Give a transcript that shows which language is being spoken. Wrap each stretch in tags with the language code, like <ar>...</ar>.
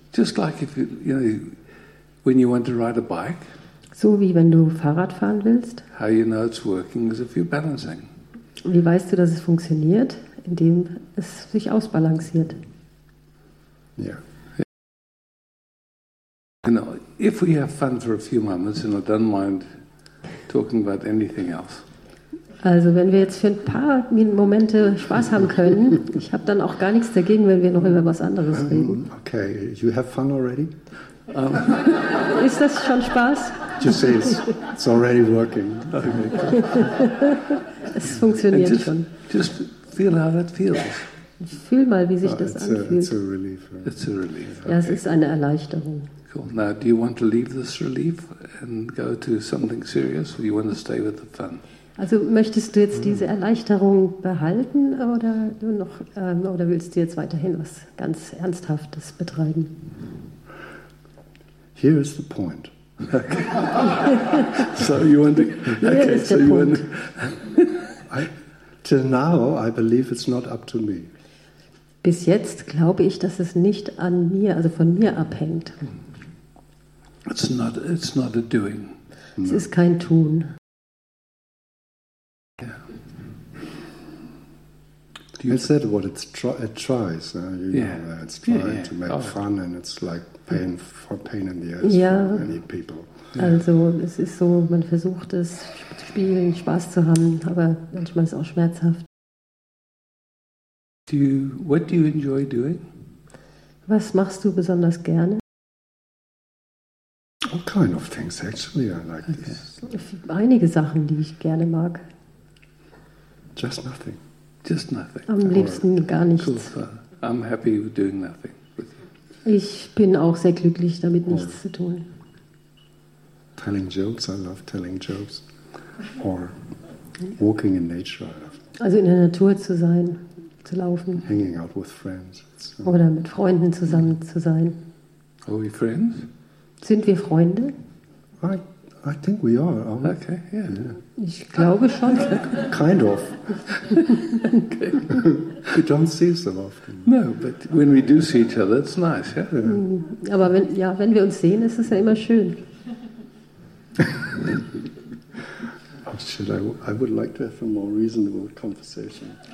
<en>Just like if you, you know, when you want to ride a bike.</en> <de>So wie wenn du Fahrrad fahren willst.</de> <en>How you know it's working is if you're balancing.</en> <de>Wie weißt du, dass es funktioniert, indem es sich ausbalanciert?</de> <en>Ja. Yeah. You know, if we have fun for a few moments, and I don't mind talking about anything else.</en> <de>Also, wenn wir jetzt für ein paar Momente Spaß haben können, ich habe dann auch gar nichts dagegen, wenn wir noch über was anderes reden.</de> <en>Okay, you have fun already?</en> <de>Ist das schon Spaß?</de> <en>Just say it's already working. Okay.</en> <de>Es funktioniert</de> <en>just,</en> <de>schon.</de> <en>Just feel how that feels.</en> <de>Fühl mal, wie sich das anfühlt.</de> <en>It's a relief. It's a relief.</en> <de>Okay. Ja, es ist eine Erleichterung.</de> <en>Cool. Now, do you want to leave this relief and go to something serious, or do you want to stay with the fun?</en> <de>Also, möchtest du jetzt diese Erleichterung behalten, oder du noch, oder willst du jetzt weiterhin was ganz Ernsthaftes betreiben?</de> <en>Here is the point. Okay. So you want to? Okay, here is so the point. Till now, I believe it's not up to me.</en> <de>Bis jetzt glaube ich, dass es nicht an mir, also von mir abhängt.</de> <en>It's not a doing.</en> <de>Es ist kein Tun.</de> <en>Yeah. You said what it's it tries. You know that it's trying to make fun and it's like pain for pain in the ass for many people. Yeah.</en> <de>Also es ist so, man versucht es zu spielen, Spaß zu haben, aber manchmal ist es auch schmerzhaft.</de> <en>What do you enjoy doing?</en> <de>Was machst du besonders gerne?</de> <en>What kind of things actually I like this?</en> <de>Einige Sachen, die ich gerne mag.</de> <en>Just nothing. Just nothing.</en> <de>Am liebsten gar nichts.</de> <en>Cool. I'm happy with doing nothing.</en> <de>Ich bin auch sehr glücklich, damit nichts zu tun.</de> <en>Telling jokes, I love telling jokes. Or walking in nature, I love.</en> <de>Also in der Natur zu sein, zu laufen.</de> <en>Hanging out with friends.</en> <de>Oder mit Freunden zusammen zu sein.</de> <en>Are we friends?</en> <de>Sind wir Freunde?</de> <en>I think we are. Okay,</en> <de>Ich glaube schon.</de> <en>Kind of. Okay. We don't see so often. No, but when we do see each other, it's nice, yeah.</en> <de>Aber wenn, ja, wenn wir uns sehen, ist es ja immer schön.</de> <en>I would like to have a more reasonable conversation.</en>